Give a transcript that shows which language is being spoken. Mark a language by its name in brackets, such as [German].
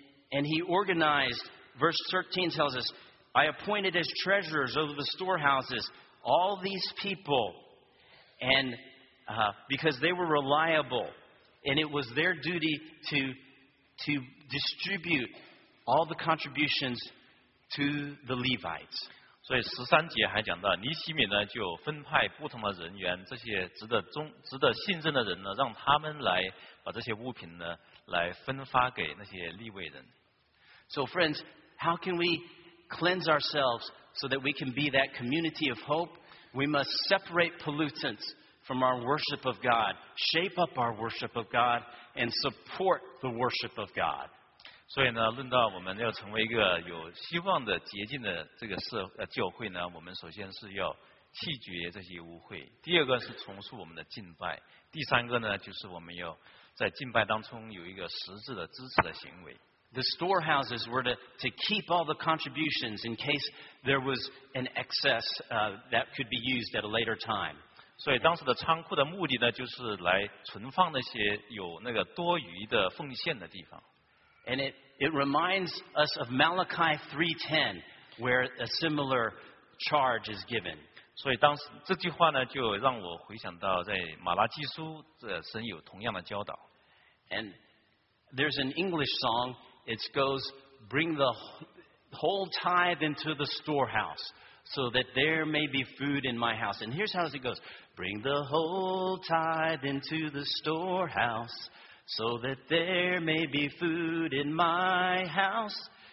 [English] And he organized, verse 13 tells us, I appointed as treasurers over the storehouses all these people, and because they were reliable, and it was their duty to distribute all the contributions to the Levites. [Chinese] 所以十三节还讲到，尼希米呢就分派不同的人员，这些值得信任的人呢，让他们来把这些物品呢来分发给那些利未人。 [English] So friends, how can we cleanse ourselves so that we can be that community of hope? We must separate pollutants from our worship of God, shape up our worship of God, and support the worship of God. [Chinese] 所以呢，论到我们要成为一个有希望的洁净的这个教会呢，我们首先是要弃绝这些污秽，第二个是重塑我们的敬拜，第三个呢，就是我们要在敬拜当中有一个实质的支持的行为。 [English] The storehouses were to keep all the contributions in case there was an excess that could be used at a later time. [Chinese] 所以当时的仓库的目的呢，就是来存放那些有那个多余的奉献的地方。 [English] And it reminds us of Malachi 3:10, where a similar charge is given. [Chinese] 所以当时这句话呢，就让我回想到在马拉基书，这神有同样的教导。 [English] And there's an English song. It goes, "Bring the whole tithe into the storehouse, so that there may be food in my house." And here's how it goes: "Bring the whole tithe into the storehouse, so that there may be food in my house.